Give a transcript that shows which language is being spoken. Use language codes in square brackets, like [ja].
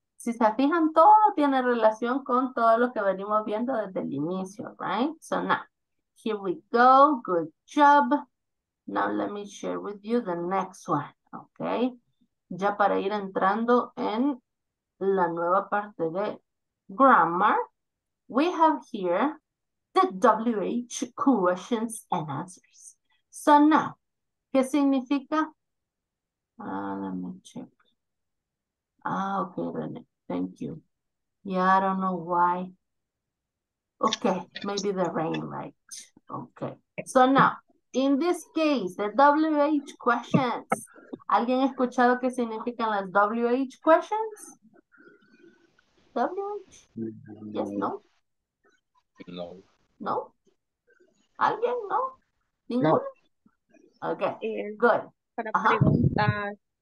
[es] Si se fijan, todo tiene relación con todo lo que venimos viendo desde el inicio, [en] right? So now, here we go. Good job. Now let me share with you the next one, okay? [es] Ya para ir entrando en la nueva parte de grammar, [en] we have here the WH questions and answers. So now, [es] ¿qué significa? [en] Let me check. Okay, René. Thank you. Yeah, I don't know why. Okay, maybe the rain, right? Okay. So now, in this case, the WH questions. [es] ¿Alguien ha escuchado qué significan las WH questions? [en] WH? Yes, no? No. [es] No? ¿Alguien? No? ¿Ninguno? No. [en] Okay, good. [es] Para preguntar.